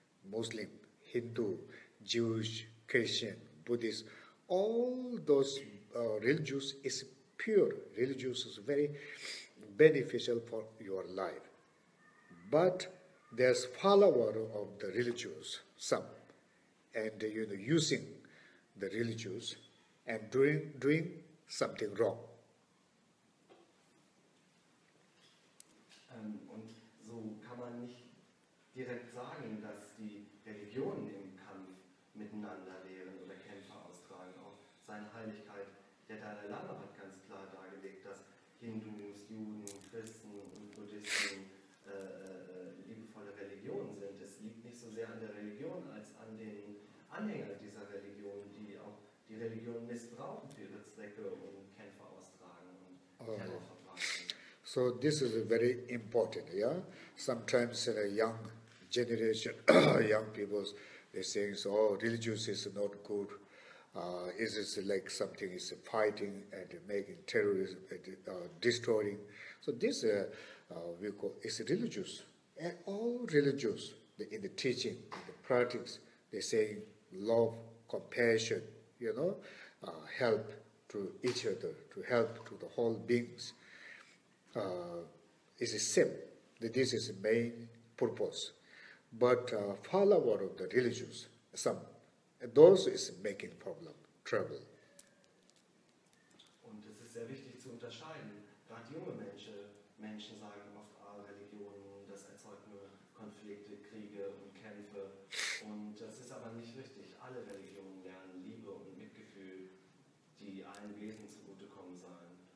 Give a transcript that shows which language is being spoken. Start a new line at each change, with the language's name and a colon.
English: Muslim, Hindu, Jewish, Christian, Buddhist, all those religious is pure religious is very beneficial for your life. But there's follower of the religious, some, and you know, using the religious and doing something wrong.
German: Und so kann man nicht direkt sagen, dass die Religionen im Kampf miteinander lehren oder Kämpfe austragen. Auch seine Heiligkeit, der Dalai Lama, hat ganz klar dargelegt, dass Hindus, Juden, Christen und Buddhisten liebevolle Religionen sind. Es liegt nicht so sehr an der Religion als an den Anhängern dieser Religion, die auch die Religion missbrauchen für ihre Zwecke und Kämpfe austragen und Terror verbreiten.
English: So this is very important, yeah? Sometimes a young generation, young people, they're saying, so, oh, religious is not good. Is this like something is fighting and making terrorism, destroying? So this we call is religious. And all religious, in the teaching, in the practice, they're saying love, compassion, you know, help to each other, to help to the whole beings. Is the same. That this is the main purpose. But follower of the religious, some, those is making problem, trouble.
German: Und es ist sehr wichtig zu unterscheiden. Gerade junge Menschen sagen oft, Religion, das erzeugt nur Konflikte, Kriege und Kämpfe. Und das ist aber nicht richtig. Alle Religionen lernen Liebe und Mitgefühl, die allen Wesen zugutekommen sollen.